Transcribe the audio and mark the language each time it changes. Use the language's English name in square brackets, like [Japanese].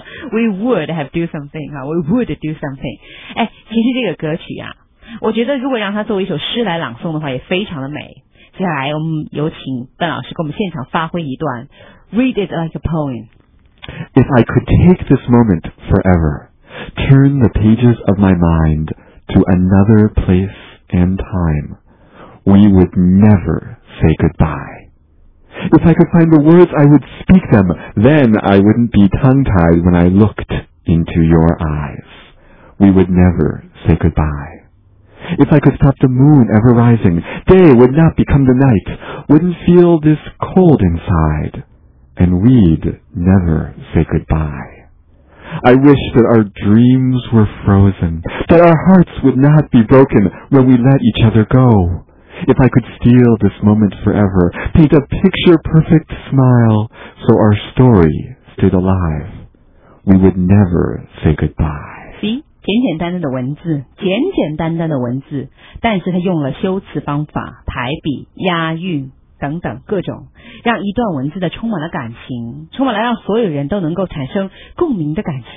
[English] We would have do something 啊 ，We would do something。 [Chinese] 哎，其实这个歌曲啊，我觉得如果让它作为一首诗来朗诵的话，也非常的美。接下来我们有请邓老师给我们现场发挥一段 ， [English] Read it like a poem。 If I could take this moment forever, turn the pages of my mind to another place and time, we would never say goodbye. If I could find the words, I would speak them, then I wouldn't be tongue-tied when I looked into your eyes. We would never say goodbye. If I could stop the moon ever rising, day would not become the night, wouldn't feel this cold inside. And we'd never say goodbye. I wish that our dreams were frozen, that our hearts would not be broken when we let each other go. If I could steal this moment forever, paint a picture-perfect smile so our story stayed alive, we would never say goodbye. See? [Chinese] 简简单单的文字，简简单单的文字，但是他用了修辞方法，排比，押韵。等等各种，让一段文字的充满了感情，充满了让所有人都能够产生共鸣的感情。